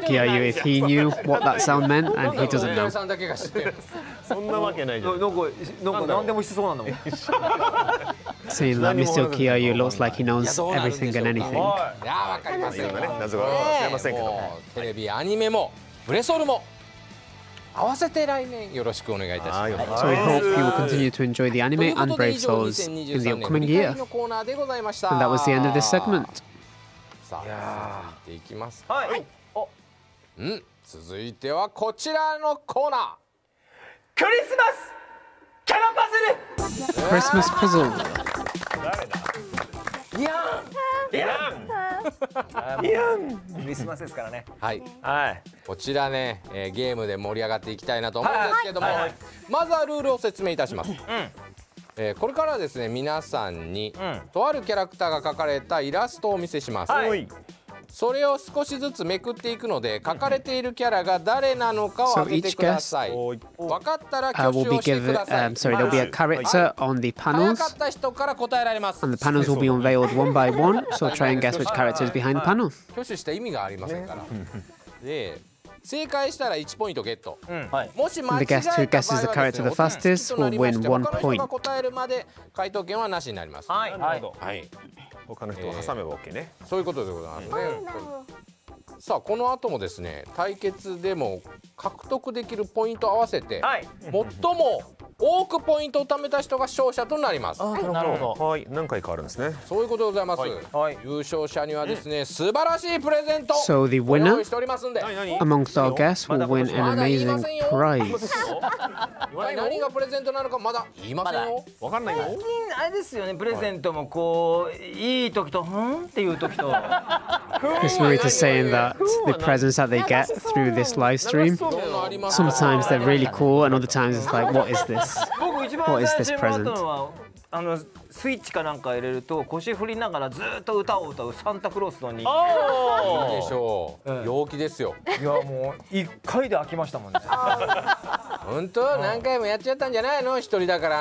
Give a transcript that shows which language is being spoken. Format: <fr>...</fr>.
<en>Kiyayu if he knew what that sound meant and he doesn't know.</en> <ja>さんだけが知ってる。そんなわけないじゃん。なんか何でもしそうなんだもん。</ja> <en>Seeing that Mr. Kiyayu looks like he knows everything and anything.</en> <ja>いやわかりますよ。謎が分かりませんけど。テレビ、アニメも、ブレソルも合わせて来年よろしくお願いいたします。</ja> <en>So we hope you will continue to enjoy the anime and Brave Souls in the upcoming year. And that was the end of this segment.</en> <ja>さあ、続いていきますか。はい、はい、お、うん、続いてはこちらのコーナー、クリスマスキャラパズル。クリスマスパズル、誰だ、イヤン、イヤン、イヤン、クリスマスですからね。はい、はい、こちらね、ゲームで盛り上がっていきたいなと思うんですけども、はいはいはい、まずはルールを説明いたします。うん、これからですね、皆さんに、うん、とあるキャラクターが描かれたイラストをお見せします。はい、それを少しずつめくっていくので描かれているキャラが誰なのかを当ててください。分かったら挙手をしてください。</ja> <en>there will be a character on the panels.</en> <ja>早かった人から答えられます。</ja> <en>and the panels will be unveiled one by one. So try and guess which character is behind the panel.</en> <ja>挙手した意味がありませんから。で、正解したら1ポイントゲット。うん、はい、もし間違えた場合はですね、お手つきとなりまして、他の人が答えるまで回答権はなしになります。はい、はい、はい。他の人を挟めば OK ね。そういうことでございますね。さあ、この後もですね、対決でも獲得できるポイント合わせて、はい、最も多くポイントを貯めた人が勝者となります。あ、なるほど、はい、何回かあるんですね。そういうことでございます、はいはい、優勝者にはですね、うん、素晴らしいプレゼントをご用意しておりますんで、</ja> <en>amongst our guests will win an amazing prize。</en> <ja>何がプレゼントなのかまだ言いませんよ、わかんないよ。最近あれですよね、プレゼントもこう、はい、いい時とふんっていう時と。</ja> <en>It's Marie to say in that the presents that they get through this live stream, sometimes they're really cool and other times it's like, what is this? What is this present?</en> <ja>あのスイッチかなんか入れると腰振りながらずっと歌を歌うサンタクロースの人形。いいでしょう、うん、陽気ですよ。いやもう一回で飽きましたもんね。本当、何回もやっちゃったんじゃないの、一人だから。</ja>